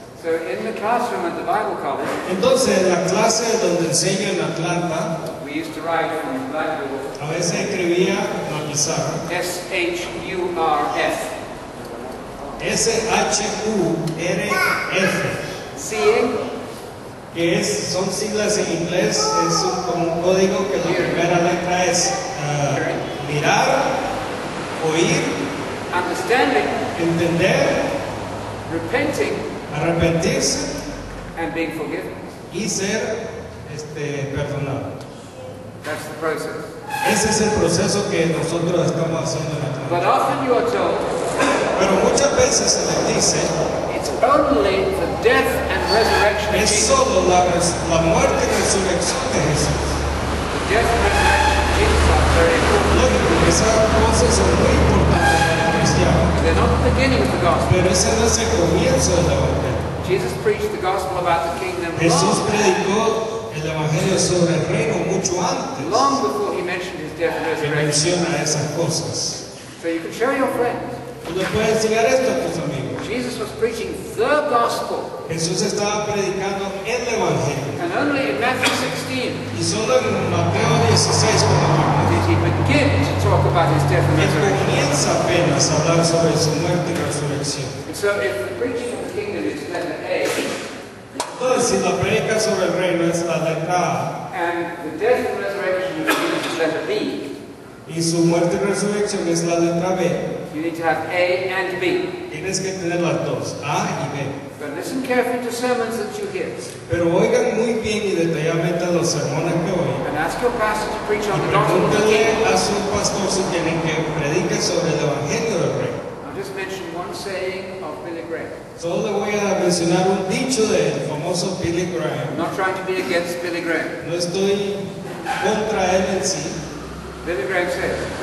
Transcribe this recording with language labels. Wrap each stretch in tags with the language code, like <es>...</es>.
<en>So in the classroom at the Bible College.</en> <es>Entonces en la clase donde enseño en Atlanta.</es> <en>We used to write on the blackboard.</en> <es>A veces escribía en la pizarra.</es> <en>S-H-U-R-F. S-H-U-R-F. Seeing.</en> <es>Que es, son siglas en inglés. Es un, como un código que la primera letra es mirar, oír,</es> <en>understanding,</en> <es>entender,</es> <en>repenting.</en> <es>Arrepentirse</es> <en>and being forgiven.</en> <es>Y ser perdonado.</es> <en>That's the process.</en> <es>Ese es el proceso que nosotros estamos haciendo en</es> <en>el. But often you are told,</en> <es>pero muchas veces se les dice,</es> <en>it's only the death and resurrection of</en> <es>Es solo la muerte y resurrección de Jesús.</es> <en>The death and resurrection of Jesus are very important.</en> <es>Esas cosas son muy importantes.</es> <en>They're not the beginning of the gospel.</en> <es>Pero ese no es el comienzo del</es> <en>evangelio. Jesus preached the gospel about the kingdom.</en> <es>Jesús predicó el evangelio sobre el reino mucho antes.</es> <en>Long before he mentioned his death and resurrection.</en> <es>Menciona esas cosas.</es> <en>So you can share your friends.</en> <es>Tú le puedes enseñar esto a tus amigos.</es> <en>Jesus was preaching the gospel.</en> <es>Jesús estaba predicando el evangelio.</es> <en>And only in Matthew 16.</en> <es>Y solo en Mateo 16.</es> <en>Begin to talk about his death and resurrection. So if the preaching of the kingdom is letter A,</en> <es>entonces, si la predica sobre el reino es la letra A,</es> <en>and the death and resurrection is letter B,</en> <es>y su muerte y resurrección es la letra B,</es> <en>you need to have A and B.</en> <es>Tienes que tener las dos, A y B.</es> <en>But listen carefully to sermons that you hear.</en> <es>Pero oigan muy bien y detalladamente los sermones que oyen.</es> <en>And ask your pastor to preach on the gospel of the kingdom.</en> <es>A su pastor si tienen que predique sobre el evangelio del reino.</es> <en>Now just just mention one saying of Billy Graham.</en> <es>Solo voy a mencionar un dicho del famoso Billy Graham.</es> <en>I'm not trying to be against Billy Graham.</en> <es>No estoy contra él en sí.</es> <en>Billy Graham said.</en>